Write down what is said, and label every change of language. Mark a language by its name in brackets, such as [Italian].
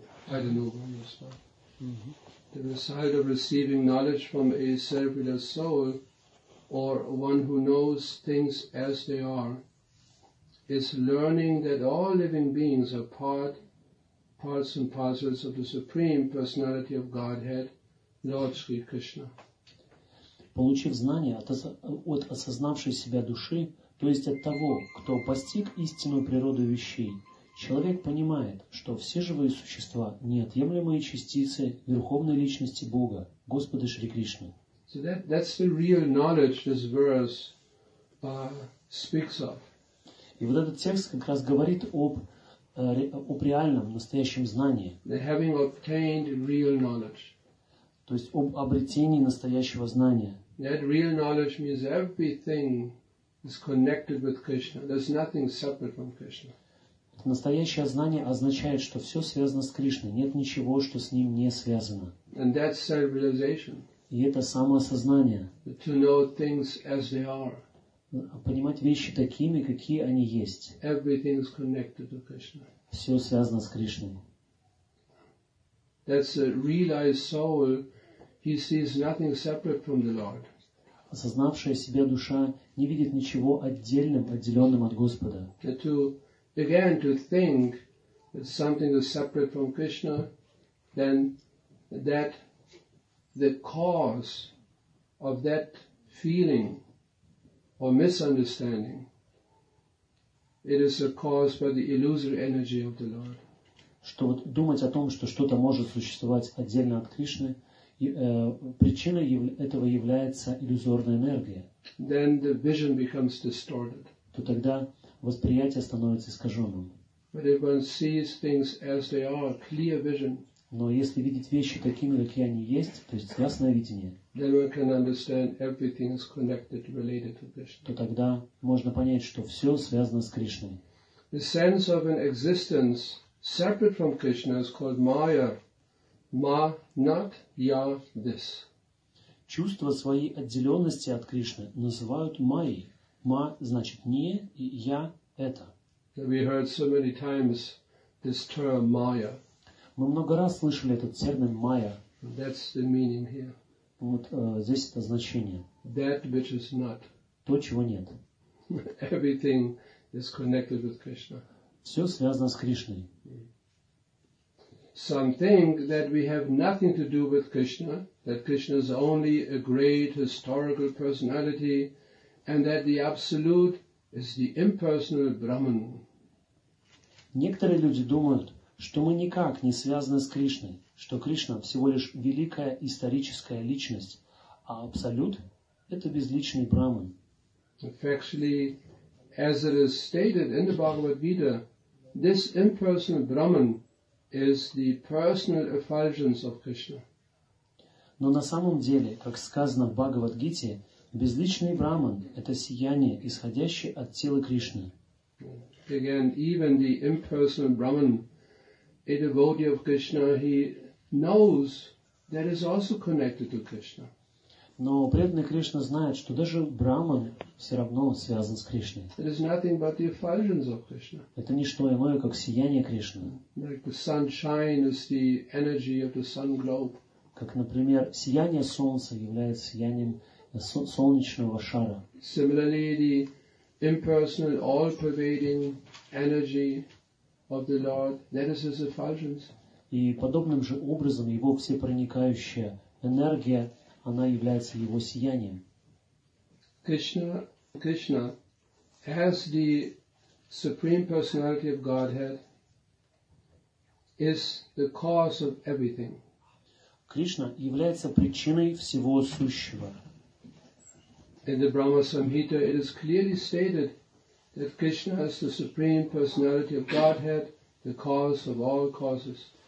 [English] The result of receiving knowledge from a self-willed soul or one who knows things as they are is learning that all living beings are parts and parcels of the Supreme Personality of Godhead, Lord Sri Krishna. [Russian] Получив знание от осознавшей себя души, то есть от того, кто постиг истинную природу вещей, Человек понимает, что все живые существа – неотъемлемые частицы Верховной Личности Бога, Господа Шри Кришны. [English] So that's the real knowledge this verse speaks of. [Russian] И вот этот текст как раз говорит об реальном, настоящем знании. [English] The having obtained real knowledge. [Russian] То есть об обретении настоящего знания. [English] That real knowledge means everything is connected with Krishna. There's nothing separate from Krishna. [Russian] Настоящее знание означает, что все связано с Кришной. Нет ничего, что с ним не связано. [English] And that's self-realization. [Russian] И это самоосознание. [English] To know things as they are. [Russian] Понимать вещи такими, какие они есть. [English] Everything is connected to Krishna. [Russian] Все связано с Кришной. [English] That's a realized soul. He sees nothing separate from the Lord. [Russian] Осознавшая себя душа не видит ничего отдельным, отделенным от Господа. [English] Again, to think that something is separate from Krishna, then that the cause of that feeling or misunderstanding, it is a cause by the illusory energy of the Lord. [Russian] Что вот думать о том, что что-то может существовать отдельно от Кришны, причиной этого является иллюзорная энергия. [English] Then the vision becomes distorted. [Russian] То тогда восприятие становится искаженным. [English] But if one sees things as they are, clear vision, [Russian] но если видеть вещи такими, какие они есть, то есть ясное видение, [English] then one can understand everything is connected, related to Krishna. [Russian] То тогда можно понять, что все связано с Кришной. [English] The sense of an existence separate from Krishna is called Maya. Ma, not, ya, this. [Russian] Чувство своей отделенности от Кришны называют Майей. Ма значит не, и я это. [English] We heard so many times this term Maya. [Russian] Мы много раз слышали этот термин Maya. [English] That's the meaning here. [Russian] Вот здесь это значение. [English] That which is not. [Russian] То, чего нет. [English] Everything is connected with Krishna. [Russian] Все связано с Кришной. [English] Some think that we have nothing to do with Krishna, that Krishna is only a great historical personality, and that the absolute is the impersonal Brahman. [Russian] Некоторые люди думают, что мы никак не связаны с Кришной, что Кришна всего лишь великая историческая личность, а абсолют – это безличный Брахман. [English] Factually, as it is stated in the Bhagavad Gita, this impersonal Brahman is the personal effulgence of Krishna. [Russian] Но на самом деле, как сказано в Бхагавад Гите, безличный Брахман – это сияние, исходящее от тела Кришны. [English] Again, even the impersonal Brahman, a devotee of Krishna, he knows that is also connected to Krishna. [Russian] Но преданный Кришна знает, что даже Брахман все равно связан с Кришной. [English] It is nothing but the effulgence of Krishna. [Russian] Это не что иное, как сияние Кришны. [English] Like the sunshine is the energy of the sun globe. [Russian] Как, например, сияние солнца является сиянием солнечного шара. [English] Similarly, the impersonal, all-pervading energy of the Lord, that is his effulgence. [Russian] И подобным же образом его всепроникающая энергия, она является его сиянием. [English] Кришна as the supreme personality of Godhead is the cause of everything. [Russian] Кришна является причиной всего сущего. [English] In the Brahma Samhita, it is clearly stated that Krishna is the supreme personality of Godhead, the cause of all causes.